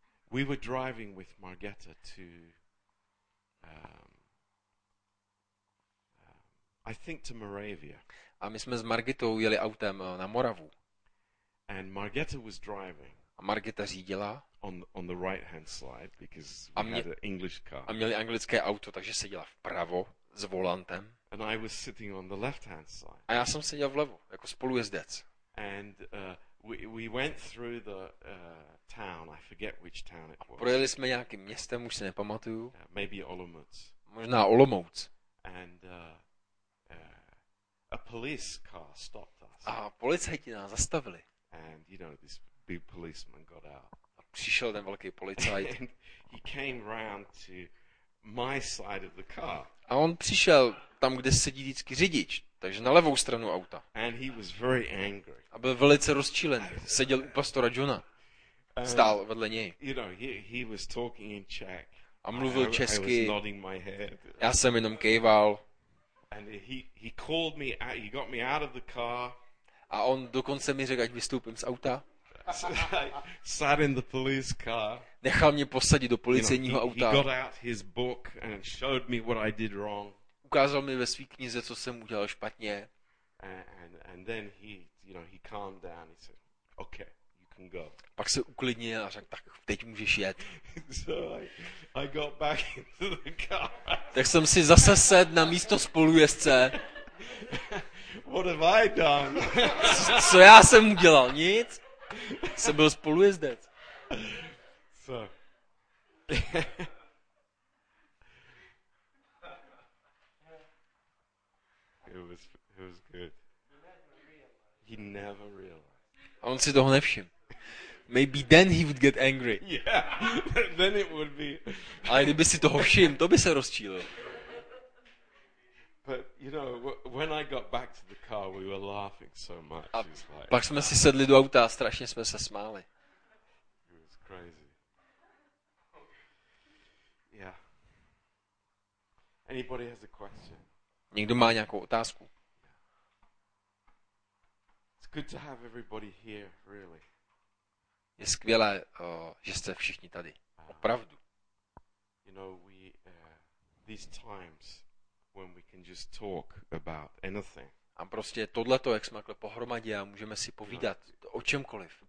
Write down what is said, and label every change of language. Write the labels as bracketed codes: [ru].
[en] We were driving with Margetta to I think to Moravia. [cs] A my jsme s Margitou jeli autem na Moravu. [en] And Margetta was driving. [cs] A Margita řídila [en] on the right hand side because we had an English car. [cs] A měli anglické auto, takže seděla vpravo s volantem. [en] And I was sitting on the left hand side. [cs] A já jsem seděl vlevo jako spolujezdec. [en] And we went through the town, I forget which town it was. [cs] Projeli jsme nějakým městem, už se nepamatuju. [en] Yeah, maybe Olomouc. [cs] Možná Olomouc. [en] And a police car stopped us. [cs] A policajti nás zastavili. [en] And you know this big policeman got out. [cs] Přišel ten velký policajt. [en] And he came round to my side of the car. [cs] A on přišel tam, kde sedí vždycky řidič, takže na levou stranu auta. [en] And he was very angry. [cs] A byl velice rozčílený. Seděl u pastora Johna. Stál vedle něj. [en] You know, he was talking in Czech. [cs] A mluvil česky. [en] I was nodding my head. [cs] Já jsem jenom kejval. [en] And he called me out, he got me out of the car. [cs] A on dokonce mi řekl, ať vystoupím z auta. [en] Sat in the police car. [cs] Nechal mě posadit do policejního auta. [en] He got out his book and showed me what I did wrong. [cs] Ukázal mi ve své knize, co jsem udělal špatně. [en] And then he, you know, he calmed down. He said, "Okay, you can go." [cs] Pak se uklidnil a řekl, tak teď můžeš jet. [en] So I got back into the car. [cs] Tak jsem si zase sedl na místo spolujezdce. [en] What have I done? [cs] Co já jsem udělal? Nic. Jsem byl spolujezdec. [en] So. It was good. He never realized. [cs] On si toho nevšim. [en] Maybe then he would get angry. Yeah. Then it would be. [cs] Ale kdyby si toho všim, to by se rozčílil. [en] But you know, when I got back to the car, we were laughing so much. [cs] A pak jsme si sedli do auta a strašně jsme se smáli. [en] It was crazy. Yeah. Anybody has a question? [cs] Někdo má nějakou otázku? [en] It's good to have everybody here, really. [cs] Je skvělé, že jste všichni tady. Opravdu. [en] You know, we these times when we can just talk about anything. [cs] A prostě tohleto, jak jsme takhle pohromadě a můžeme si povídat o čemkoliv.